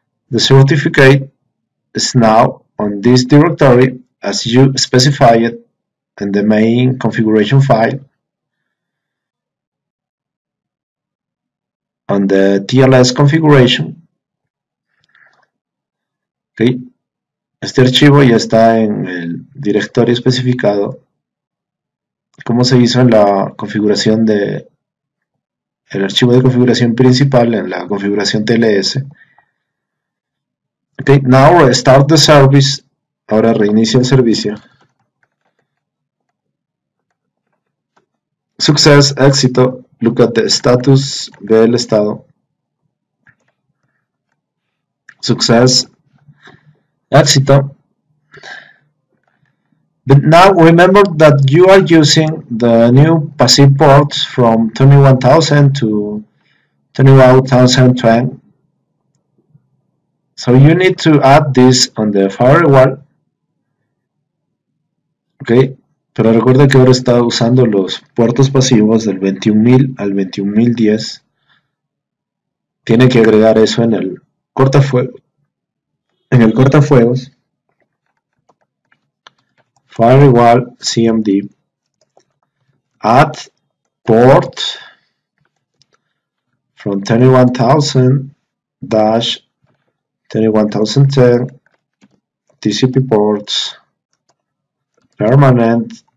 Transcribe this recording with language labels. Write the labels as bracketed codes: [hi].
[en] The certificate is now on this directory as you specified in the main configuration file on the TLS configuration. Okay. [es] Este archivo ya está en el directorio especificado. ¿Cómo se hizo en la configuración de el archivo de configuración principal en la configuración TLS? [en] Okay, now restart the service. [es] Ahora reinicia el servicio. [en] Success, éxito. Look at the status, [es] ve el estado. [en] Success, éxito. But now remember that you are using the new passive ports from 21,000 to 21,020. So you need to add this on the firewall. Okay. [es] Pero recuerda que ahora está usando los puertos pasivos del 21,000 al 21,010. Tiene que agregar eso en el cortafuegos. [en] Firewall CMD. Add port from 21,000-21,010 TCP ports. Permanent.